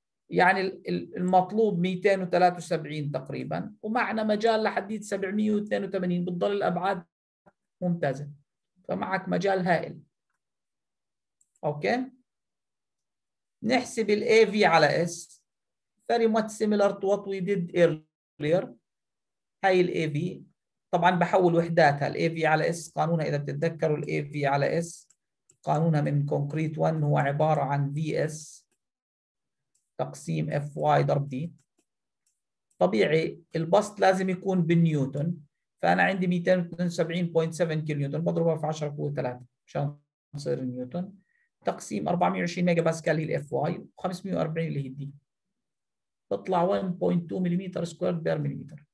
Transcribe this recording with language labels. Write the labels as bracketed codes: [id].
[ar] يعني المطلوب 273 تقريبا، ومعنا مجال لحديد 782، بتضل الأبعاد ممتازة، فمعك مجال هائل. أوكي، نحسب الـ AV على S. [en] Very much similar to what we did earlier. [ar] هاي الـ AV طبعا بحول وحداتها، الـ AV على S قانونها، إذا بتتذكروا الـ AV على S قانونها من كونكريت 1 هو عبارة عن VS تقسيم FY ضرب D. طبيعي البسط لازم يكون بالنيوتن، فأنا عندي 272.7 كيلو نيوتن بضربها في 10 قوة 3 عشان تصير نيوتن، تقسيم 420 ميجا باسكال هي الـ FY، 540 اللي هي D، بطلع 1.2 ملم سكوير بير ملم.